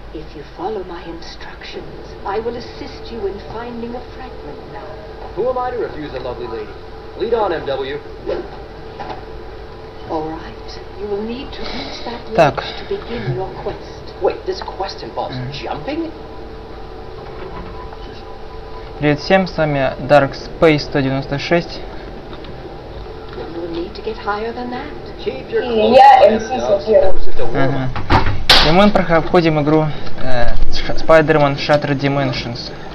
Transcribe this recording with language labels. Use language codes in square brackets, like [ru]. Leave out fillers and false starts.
[en] If you follow my instructions, I will assist you in finding a fragment now. Who am I to refuse a lovely lady? Lead on, MW. All right. You will need to reach that ledge to begin your quest. Wait, this quest involves jumping? [ru] Привет всем, с вами Dark Space 196. [en] You will need to get higher than that. [ru] И мы проходим игру Spider-Man Shattered Dimensions.